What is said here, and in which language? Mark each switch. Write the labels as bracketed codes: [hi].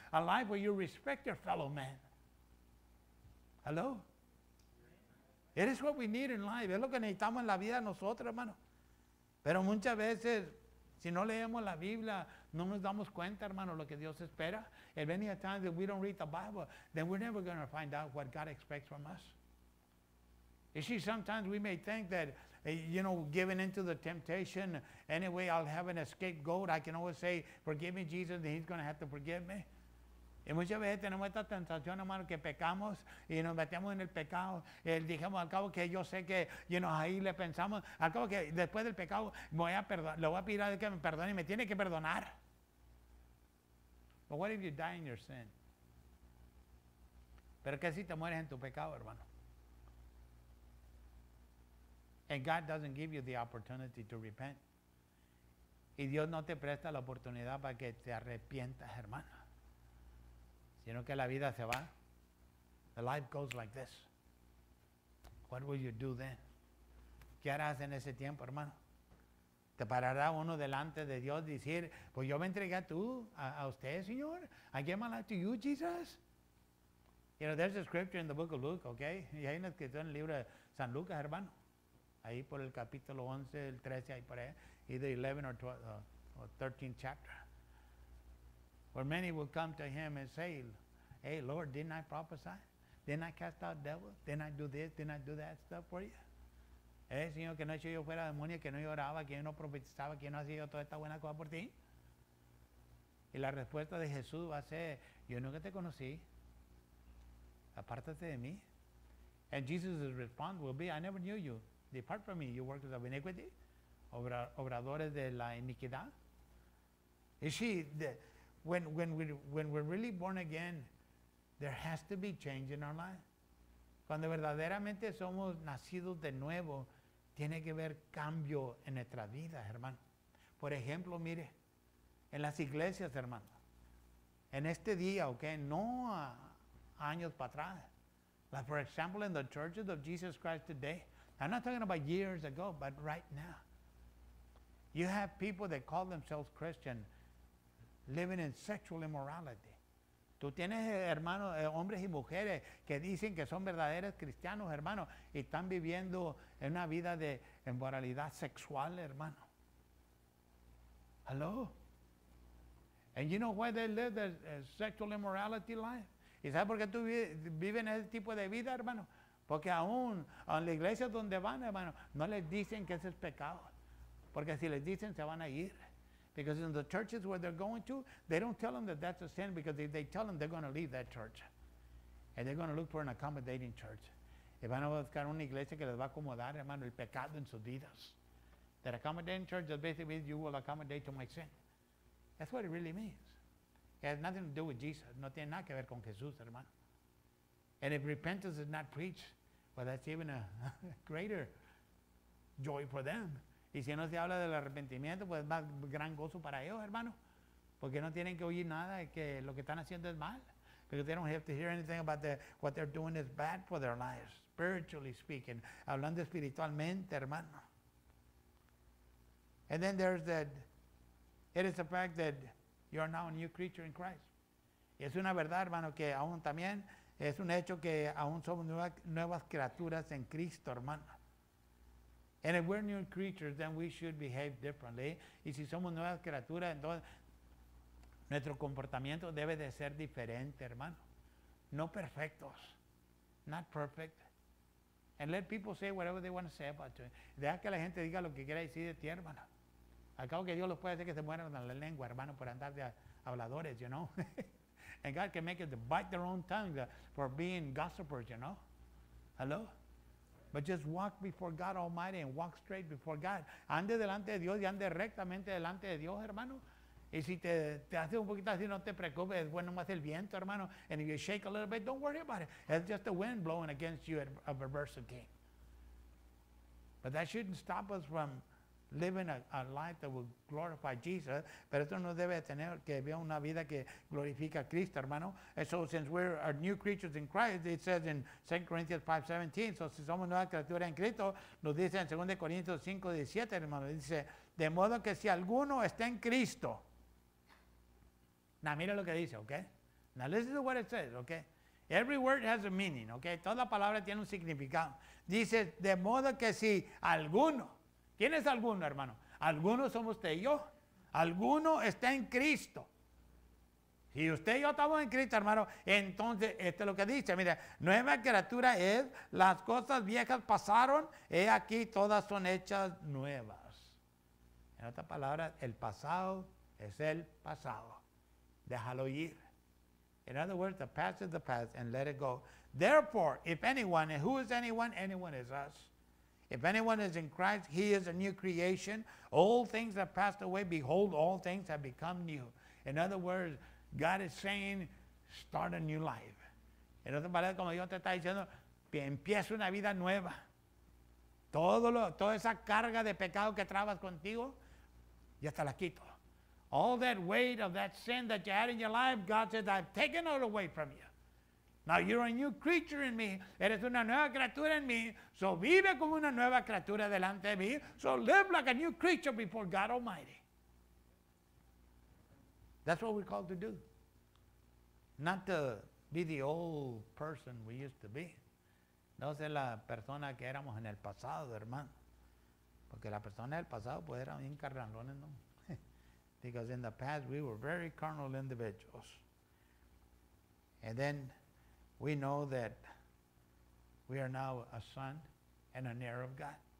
[en] A life where you respect your fellow man. Hello? It is what we need in life. [es] Es lo que necesitamos en la vida nosotros, hermano. Pero muchas veces, si no leemos la Biblia, no nos damos cuenta, hermano, lo que Dios espera. [en] And many a times, if we don't read the Bible, then we're never going to find out what God expects from us. You see, sometimes we may think that, you know, giving into the temptation, anyway, I'll have an escape goat. I can always say, forgive me, Jesus, and he's going to have to forgive me. [es] Y muchas veces tenemos esta tentación, hermano, que pecamos y nos metemos en el pecado. Y dijimos, al cabo que yo sé que, [en] you know, [es] ahí le pensamos, al cabo que después del pecado voy a perdonar, le voy a pedir a Dios que me perdone y me tiene que perdonar. [en] But what if you die in your sin? [es] Pero qué si te mueres en tu pecado, hermano. [en] And God doesn't give you the opportunity to repent. [es] Y Dios no te presta la oportunidad para que te arrepientas, hermano. Sino que la vida se va. [en] The life goes like this. What will you do then? [es] ¿Qué harás en ese tiempo, hermano? ¿Te parará uno delante de Dios y decir, pues yo me entregué a usted, Señor? [en] I gave my life to you, Jesus. You know, there's a scripture in the book of Luke, okay? [es] Y hay una escritura en el libro de San Lucas, hermano. Ahí por el capítulo 11, el 13, ahí por ahí. [en] Either 11 or 12, or 13 chapter. Where many will come to him and say, hey, Lord, didn't I prophesy? Didn't I cast out devils? Didn't I do this? Didn't I do that stuff for you? [es] Señor, que no he hecho yo fuera demonios, que no lloraba, que yo no profetizaba, que yo no hacía yo toda esta buena cosa por ti. Y la respuesta de Jesús va a ser, yo nunca te conocí. Apártate de mí. [en] And Jesus' response will be, I never knew you. Depart from me, you workers of iniquity. [es] Obradores de la iniquidad. [en] You see, when we're really born again, there has to be change in our life. [es] Cuando verdaderamente somos nacidos de nuevo, tiene que haber cambio en nuestras vidas, hermano. Por ejemplo, mire, en las iglesias, hermano, en este día, ok, no a años para atrás. [en] Like, for example, in the churches of Jesus Christ today, I'm not talking about years ago, but right now, you have people that call themselves Christian living in sexual immorality. [es] Tú tienes, hermano, hombres y mujeres que dicen que son verdaderos cristianos, hermano, y están viviendo en una vida de inmoralidad sexual, hermano. [en] Hello? And you know why they live their sexual immorality life? [es] ¿Y sabes por qué tú viven ese tipo de vida, hermano? Porque aún en la iglesia donde van, hermano, no les dicen que ese es pecado. Porque si les dicen, se van a ir. [en] Because in the churches where they're going to, they don't tell them that that's a sin, because if they tell them, they're going to leave that church. And they're going to look for an accommodating church. [es] Y van a buscar una iglesia que les va a acomodar, hermano, el pecado en sus vidas. [en] That accommodating church just basically means you will accommodate to my sin. That's what it really means. It has nothing to do with Jesus. [es] No tiene nada que ver con Jesús, hermano. [en] And if repentance is not preached, well, that's even a greater joy for them. [es] Y si no se habla del arrepentimiento, pues es más gran gozo para ellos, hermano. Porque no tienen que oír nada de que lo que están haciendo es mal. [en] Because they don't have to hear anything about what they're doing is bad for their lives, spiritually speaking. [es] Hablando espiritualmente, hermano. [en] And then there's that, it is the fact that you are now a new creature in Christ. [es] Y es una verdad, hermano, que aún también es un hecho que aún somos nuevas criaturas en Cristo, hermano. [en] And if we're new creatures, then we should behave differently. [es] Y si somos nuevas criaturas, entonces nuestro comportamiento debe de ser diferente, hermano. No perfectos. [en] Not perfect. And let people say whatever they want to say about you. [es] Deja que la gente diga lo que quiera decir de ti, hermano. Al cabo que Dios los puede hacer que se mueran en la lengua, hermano, por andar de habladores, [en] you know. And God can make them bite their own tongue for being gossipers, you know. Hello? But just walk before God Almighty and walk straight before God. [es] Ande delante de Dios y ande rectamente delante de Dios, hermano. Y si te hace un poquito así, no te preocupes. Es bueno más el viento, hermano. [en] And if you shake a little bit, don't worry about it. It's just the wind blowing against you of adversity. But that shouldn't stop us from living a life that will glorify Jesus. [es] Pero esto no debe tener que ver una vida que glorifica a Cristo, hermano. [en] And so since we are new creatures in Christ, it says in 2 Corinthians 5:17, so [es] si somos nuevas criaturas en Cristo, nos dice en 2 Corintios 5:17, hermano, dice, de modo que si alguno está en Cristo. [en] Now, [es] mira lo que dice, [en] okay? Now, listen to what it says, okay? Every word has a meaning, okay? [es] Toda palabra tiene un significado. Dice, de modo que si alguno. ¿Quién es alguno, hermano? Alguno somos usted y yo. Alguno está en Cristo. Si usted y yo estamos en Cristo, hermano, entonces, esto es lo que dice. Mira, nueva criatura es, las cosas viejas pasaron, he aquí, todas son hechas nuevas. En otras palabras, el pasado es el pasado. Déjalo ir. [en] In other words, the past is the past, and let it go. Therefore, if anyone, and who is anyone? Anyone is us. If anyone is in Christ, he is a new creation. All things have passed away. Behold, all things have become new. In other words, God is saying, start a new life. [es] En otras palabras, como Dios te está diciendo, empieza una vida nueva. Toda esa carga de pecado que trabas contigo, ya te la quito. [en] All that weight of that sin that you had in your life, God says, I've taken it away from you. Now you're a new creature in me. [es] Eres una nueva criatura en mí. So vive como una nueva criatura delante de mí. [en] So live like a new creature before God Almighty. That's what we're called to do. Not to be the old person we used to be. [es] No ser la persona que éramos en el pasado, hermano. Porque la persona del pasado pues era bien carnalones, ¿no? [en] Because in the past we were very carnal individuals. And then we know that we are now a son and an heir of God.